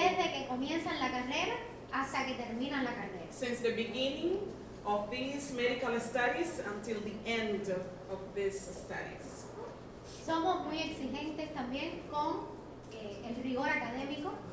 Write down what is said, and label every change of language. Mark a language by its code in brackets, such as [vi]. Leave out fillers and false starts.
[es] Desde que comienzan la carrera hasta que terminan la carrera. [en] Since the beginning of these medical studies until the end of these studies. [es] Somos muy exigentes también con el rigor académico.